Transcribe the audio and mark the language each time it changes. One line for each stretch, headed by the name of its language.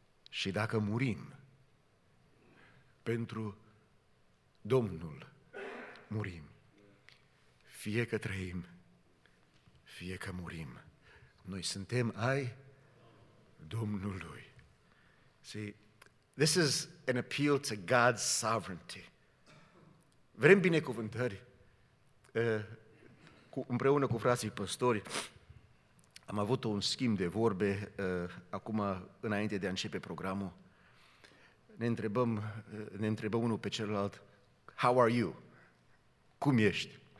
Romanian: și dacă murim, pentru Domnul murim. Fie că trăim, fie că murim, noi suntem ai Domnului.
English: See, this is an appeal to God's sovereignty.
Romanian: Vrem binecuvântări împreună cu frații păstori. Am avut un schimb de vorbe acum înainte de a începe programul. Ne întrebăm unul pe celălalt,
English: how are you?
Romanian: Cum ești?